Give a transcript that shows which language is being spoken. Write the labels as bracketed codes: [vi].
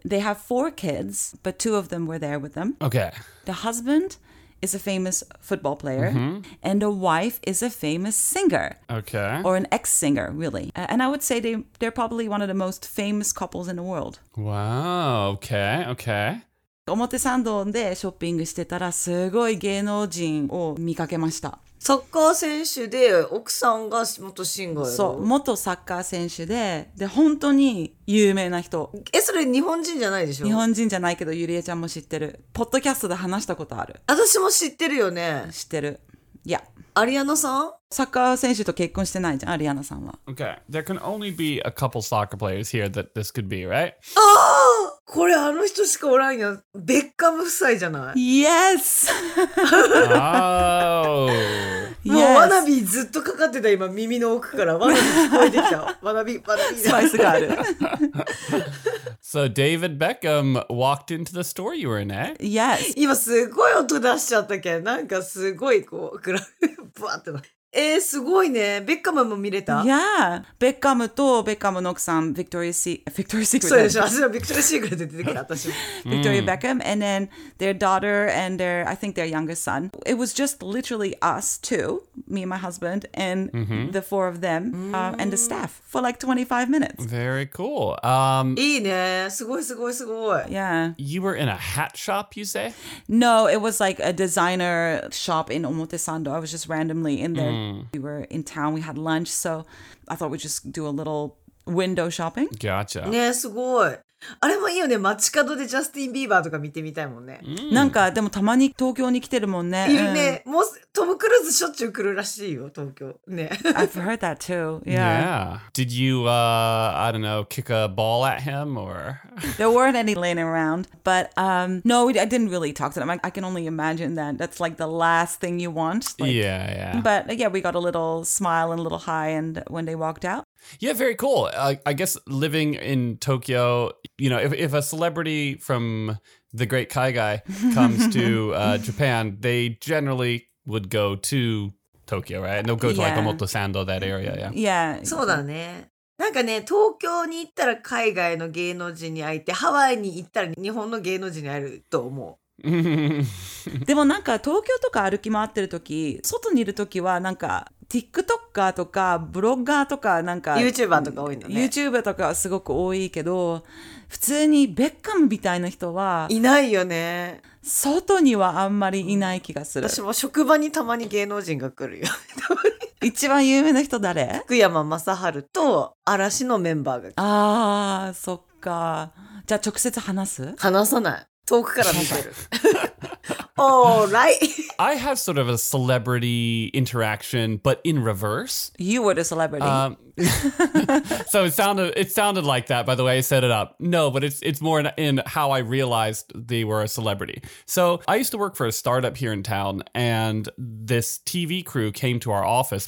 [en] They have four kids, but two of them were there with them. Okay. The husband is a famous football player, mm-hmm. and the wife is a famous singer. Okay. Or an ex-singer, really. And I would say they're probably one of the most famous couples in the world. Wow. Okay. Okay. [ja] 表参道でショッピングしてたらすごい芸能人を見かけました。サッカー選手で奥さんが元シンガーやろ？そう、元サッカー選手で、で、本当に有名な人。え、それ日本人じゃないでしょ？日本人じゃないけど、ゆりえちゃんも知ってる。ポッドキャストで話したことある。私も知ってるよね。知ってる。いや。アリアナさん？サッカー選手と結婚してないじゃん、アリアナさんは。 [en] Okay. There can only be a couple soccer players here that this could be, right? [ja] ああ！これあの人しかおらんやん。ベッカム夫妻じゃない [en] ?Yes! [ja] おー。もう、yes. ワナビーずっとかかってた、今、耳の奥から。ワナビー聞こえてきた。ワナビー、ワナビー。スパイスがある。 [en] So David Beckham walked into the store you were in, eh? Yes. [ja] 今すごい音出しちゃったけ。なんかすごいこう、グラフ、バーってな。すごいね。ベッカムも見れた。 Yeah. ベッカムとベッカムの奥さん、Victoria's Secret. そうでしょ。私はVictoria's Secret で出てきた、私。 [en] Victoria Beckham, and then their daughter and their, I think their youngest son. It was just literally us two, me and my husband, and mm-hmm. the four of them, and the staff for like 25 minutes. Very cool. [ja] いいね。すごいすごいすごい。 [en] Yeah. You were in a hat shop, you say? No, it was like a designer shop in Omotesando. I was just randomly in there. We were in town, we had lunch, so I thought we'd just do a little window shopping. Gotcha. [ja] ね、すごい。あれもいいよね、街角でジャスティン・ビーバーとか見てみたいもんね。 Mm. なんか、でもたまに東京に来てるもんね。いるね。もうトム・クルーズしょっちゅう来るらしいよ、東京。ね。 [en] I've heard that too. Yeah. Yeah. Did you, I don't know, kick a ball at him or... There weren't any laying around, but no, I didn't really talk to them. I can only imagine that that's like the last thing you want. Like, yeah, yeah. But yeah, we got a little smile and a little high and when they walked out. Yeah, very cool. I guess living in Tokyo, you know, if a celebrity from the great Kaigai comes to Japan, they generally would go to Tokyo, right? And they'll go to like Omotesando, that area. Yeah. Yeah. [ja] そうだね。なんかね、東京に行ったら海外の芸能人に会って、ハワイに行ったら日本の芸能人に会えると思う。でもなんか東京とか歩き回ってる時、外にいる時はなんか TikToker とかブロッガーとかなんか YouTuber とか多いのね。 YouTuber とかはすごく多いけど、普通にベッカムみたいな人はいないよね。外にはあんまりいない気がする。うん、私も職場にたまに芸能人が来るよ。一番有名な人誰？福山雅治と嵐のメンバーが。ああ、そっか。じゃあ直接話す？話さない。遠くから見てる。 [en] All right. I have sort of a celebrity interaction, but in reverse. You were the celebrity. so it sounded like that, by the way I set it up. No, but it's more in how I realized they were a celebrity. So I used to work for a startup here in town, and this TV crew came to our office.